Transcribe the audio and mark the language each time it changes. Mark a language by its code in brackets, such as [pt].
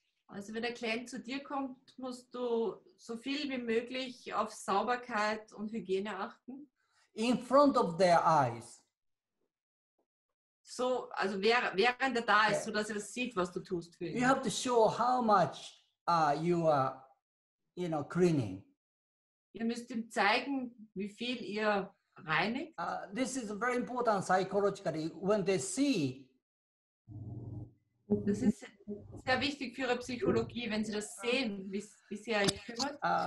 [de] Also wenn der Klient zu dir kommt, musst du so viel wie möglich auf Sauberkeit und Hygiene achten. [en] In front of their eyes. [de] So, also während er da ist, yes. Sodass er sieht, was du tust für ihn. [en] You have to show how much you are, cleaning. [de] Ihr müsst ihm zeigen, wie viel ihr reinigt. [en] This is very important psychologically when they see. [de] Das ist sehr wichtig für ihre Psychologie, wenn sie das sehen, wie sehr ich kümmert.